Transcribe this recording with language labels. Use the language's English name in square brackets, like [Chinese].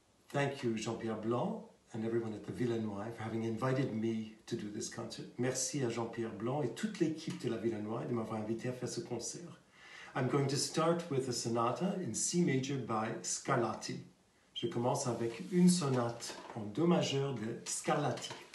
[English] Thank you Jean-Pierre Blanc and everyone at the Villa Noy for having invited me to do this concert. [French] Merci à Jean-Pierre Blanc et toute l'équipe de la Villa Noy de m'avoir invité à faire ce concert. [English] I'm going to start with a sonata in C major by Scarlatti. [French] Je commence avec une sonate en Do majeur de Scarlatti.